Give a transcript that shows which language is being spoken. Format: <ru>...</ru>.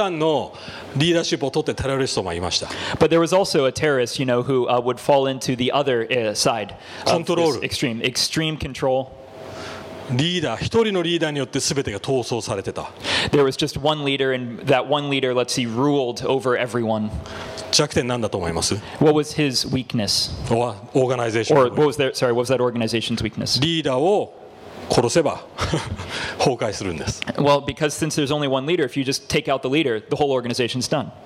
<ja>でも知ってると僕は名前は言いませんけども逆の極端のリーダーシップを取ってテロリストもいました。But</ja> <en>there was also a terrorist, you know, who would fall into the other side.</en> <ja>コントロール.</ja> <en>Extreme control.</en> <ja>リーダー一人のリーダーによって全てが統制されてた。</ja> <en>There was just one leader, and that one leader, let's see, ruled over everyone.</en> <ja>弱点何だと思います?</ja> <en>What was his weakness? Organization. Or what was their, sorry, what was that organization's weakness?</en> <ja>リーダーを 殺せば 崩壊するんです。</ja> <en>Well, because since there's only one leader, if you just take out the leader, the whole organization's done.</en>